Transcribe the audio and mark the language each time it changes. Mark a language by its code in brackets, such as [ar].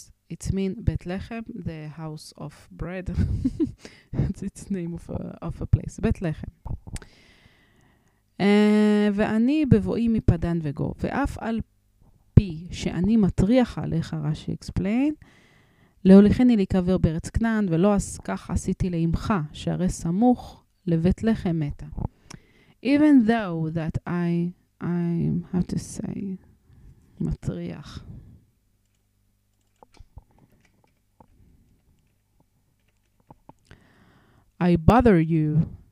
[en] It means Bethlehem, the house of bread. It's the name of a place, Bethlehem. [he] ואני בבואי מפדן וגו, ואף על פי שאני מטריח עליך, [en] רשי אקספלין, [he] להוליכני להיקבר בארץ כנען, ולא אז כך עשיתי לאמך, שהרי סמוך לבית לחם מתה. [en] Even though that I'm, how to say, מטריח. I bother you.